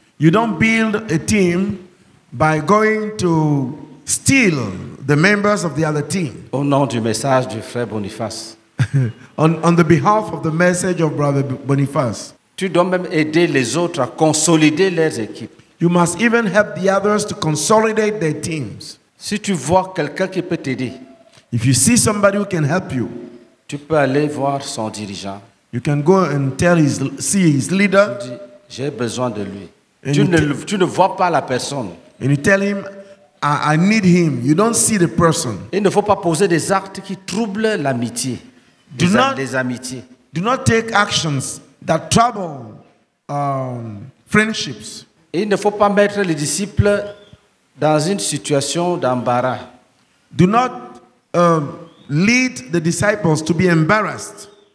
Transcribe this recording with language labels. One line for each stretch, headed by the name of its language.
English: You don't build a team by going to steal the members of the other team.
French: Au nom du message du frère Boniface.
English: on the behalf of the message of brother Boniface.
French: Tu dois même aider les autres à consolider leurs équipes.
English: You must even help the others to consolidate their teams.
French: Si tu vois quelqu'un qui peut t'aider,
English: if you see somebody who can help you,
French: tu peux aller voir son dirigeant.
English: You can go and tell his leader.
French: Tu dis, j'ai besoin de lui. Tu ne vois pas la personne.
English: And you tell him, I need him. You don't see the person.
French: Il ne faut pas poser des actes qui troublent l'amitié. Des amitiés.
English: Do not take actions that trouble friendships.
French: Et il ne faut pas mettre les disciples dans une situation d'embarras.
English: Do not lead the disciples to be embarrassed.